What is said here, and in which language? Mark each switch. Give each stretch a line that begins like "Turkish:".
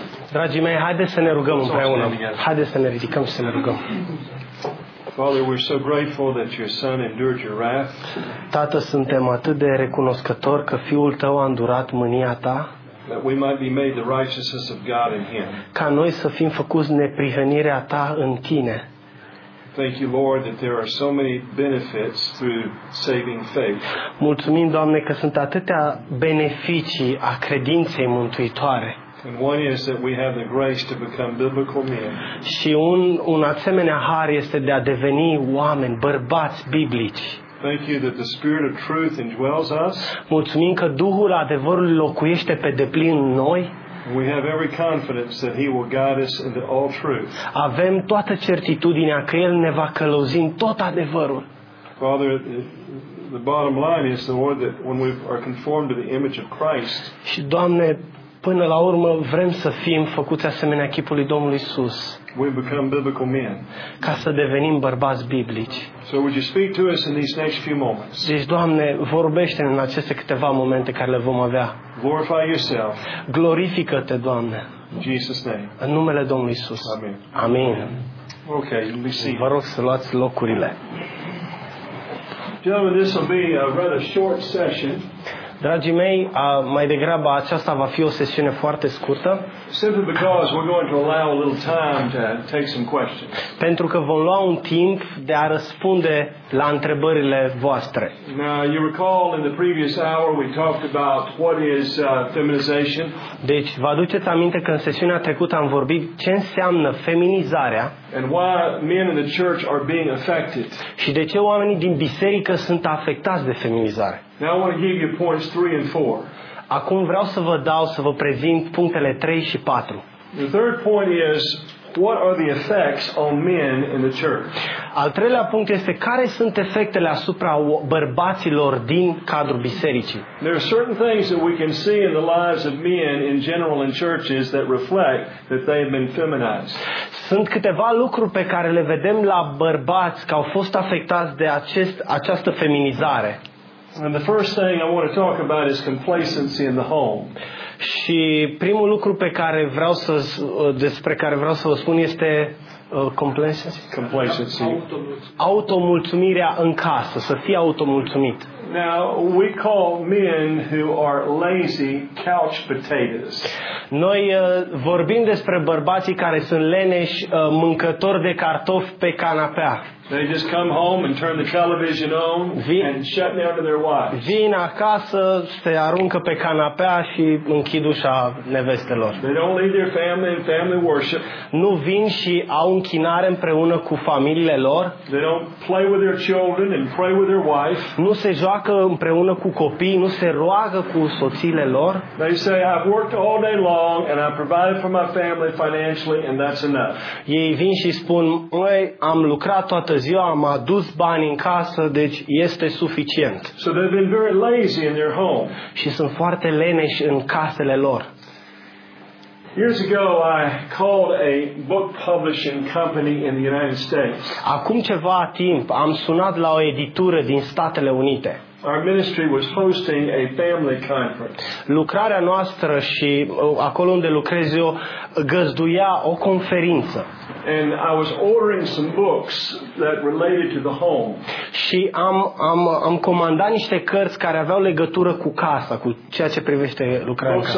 Romanian: Dragii mei, haideți să ne rugăm împreună. Haideți să ne ridicăm și să ne rugăm.
English: Father, we're so grateful that your son endured your wrath.
Romanian: Tată, suntem atât de recunoscători că fiul tău a îndurat mânia ta.
English: That we might be made the righteousness of God in him.
Romanian: Ca noi să fim făcuți neprihănirea ta în tine.
English: Thank you, Lord, that there are so many benefits through saving faith.
Romanian: Mulțumim, Doamne, că sunt atâtea beneficii a credinței mântuitoare.
English: And one is that we have the grace to become biblical men.
Romanian: Și un asemenea har este de a deveni oameni, bărbați biblici.
English: Thank you that the Spirit of truth indwells us.
Romanian: Mulțumim că Duhul adevărului locuiește pe deplin în noi.
English: We have every confidence that he will guide us into all truth.
Romanian: Avem toată certitudinea că el ne va călăuzi în tot adevărul.
English: Father, the bottom line is the word that when we are conformed to the image of Christ.
Romanian: Și Doamne, până la urmă vrem să fim făcuți asemenea chipului Domnului Iisus.
English: We become biblical men.
Romanian: Ca să devenim bărbați biblici.
English: So would you speak to us in these next few moments?
Romanian: Deci, Doamne, vorbește-ne în aceste câteva momente care le vom avea.
English: Glorify yourself.
Romanian: Glorifică-te, Doamne.
English: In Jesus' name.
Romanian: În numele Domnului Iisus.
English: Amen.
Romanian: Amin.
English: Okay, you'll be seated.
Romanian: Vă rog să luați locurile.
English: Gentlemen, this will be a rather short session.
Romanian: Dragii mei, mai degrabă aceasta va fi o sesiune foarte scurtă.
English: Simply because we're going to allow a little time to take some questions.
Romanian: Pentru că vom lua un timp de a răspunde la întrebările voastre.
English: Now, you recall in the previous hour we talked about what is feminization.
Romanian: Deci, vă aduceți aminte că în sesiunea trecută am vorbit ce înseamnă feminizarea?
English: And why men in the church are being affected.
Romanian: Și de ce oamenii din biserică sunt afectați de feminizare?
English: Now I want to give you points 3 and 4.
Romanian: Acum vreau să vă dau, să vă prezint punctele 3 și 4.
English: The third point is, what are the effects on men in the church?
Romanian: Al treilea punct este, care sunt efectele asupra bărbaților din cadrul bisericii?
English: There are certain things that we can see in the lives of men in general in churches that reflect that they have been feminized.
Romanian: Sunt câteva lucruri pe care le vedem la bărbați că au fost afectați de această feminizare.
English: And the first thing I want to talk about is complacency in the home.
Romanian: Și primul lucru pe care vreau să despre care vreau să vă spun este complacency. Automulțumirea în casă, să fii automulțumit.
English: Now we call men who are lazy couch potatoes.
Romanian: Noi vorbim despre bărbații care sunt leneși, mâncători de cartofi pe canapea.
English: They just come home and turn the television on and shut down to their wives.
Romanian: Vin acasă, se aruncă pe canapea și închid ușa nevestelor.
English: They don't leave their family and family worship.
Romanian: Nu vin și au închinare împreună cu familiile lor.
English: They don't play with their children and pray with their wife.
Romanian: Nu se joacă împreună cu copiii, nu se roagă cu soțiile lor.
English: They say, I've worked all day long and I provided for my family financially and that's enough.
Romanian: Ei vin și spun, măi, am lucrat toată ziua, am adus bani în casă, deci este suficient.
English: So they've been very lazy in their home.
Romanian: Și sunt foarte leneși în casele lor.
English: Years ago I called a book publishing company in the United States.
Romanian: Acum ceva timp am sunat la o editură din Statele Unite.
English: Our ministry was hosting a family conference.
Romanian: Lucrarea noastră și acolo unde lucrez eu găzduia o conferință.
English: And I was ordering some books that related to the home.
Romanian: Și am comandat niște cărți care aveau legătură cu casa, cu ceea ce privește lucrarea în casă.